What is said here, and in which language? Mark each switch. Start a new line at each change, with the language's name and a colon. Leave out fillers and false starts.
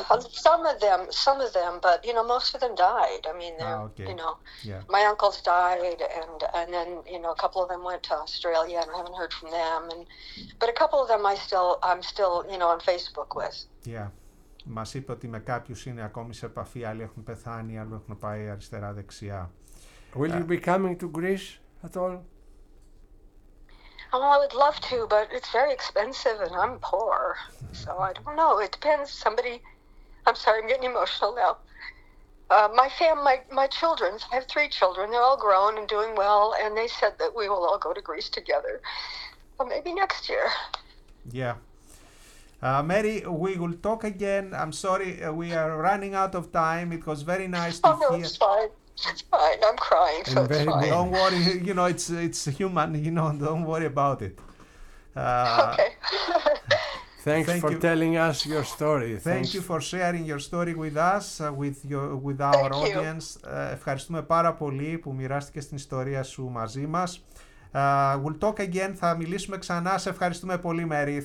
English: Some of them, but you know, most of them died. I mean, you know, my uncles died, and then you know, a couple of them went to Australia, and I haven't heard from them. But a couple of them, I'm still, you know, on Facebook with.
Greek: Yeah, μας είπε ότι με κάποιους είναι ακόμη σε επαφή, άλλοι έχουν πεθάνει, άλλοι έχουν πάει αριστερά δεξιά.
English: Will you be coming to Greece at all? Oh, I would love to, but it's very expensive and I'm poor. So I don't know. It depends. I'm sorry, I'm getting emotional now. My children, I have three children, they're all grown and doing well, and they said that we will all go to Greece together, but maybe next year. Yeah. Mary, we will talk again. I'm sorry, we are running out of time. It was very nice to hear. Oh, no, it's fine. It's fine. I'm crying, so it's fine. Don't worry. You know, it's human. You know, don't worry about it. Okay. Thank you for telling us your story. Thank you for sharing your story with us, with our audience.
Greek: Ευχαριστούμε πάρα πολύ που μοιράστηκες την ιστορία σου μαζί μας.
English: We'll talk again.
Greek: Θα μιλήσουμε ξανά. Σε ευχαριστούμε πολύ, Mary.